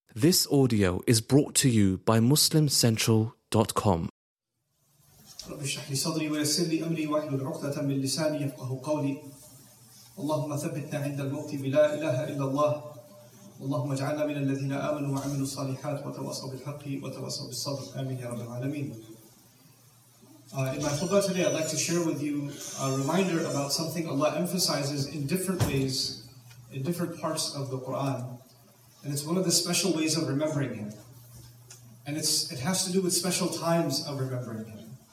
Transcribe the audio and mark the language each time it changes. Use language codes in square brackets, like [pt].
[en] This audio is brought to you by MuslimCentral.com. [ar] رب اشرح لي صدري ويسر لي امري واحلل عقدة من لساني يفقهوا قولي. اللهم ثبتنا عند الموت بلا اله الا الله. اللهم اجعلنا من الذين امنوا وعملوا الصالحات وتواصوا بالحق وتواصوا بالصبر. امين يا رب العالمين. [en] In my khutbah today, I'd like to share with you a reminder about something Allah emphasizes in different ways, in different parts of the Quran. And it's one of the special ways of remembering Him. And it has to do with special times of remembering Him.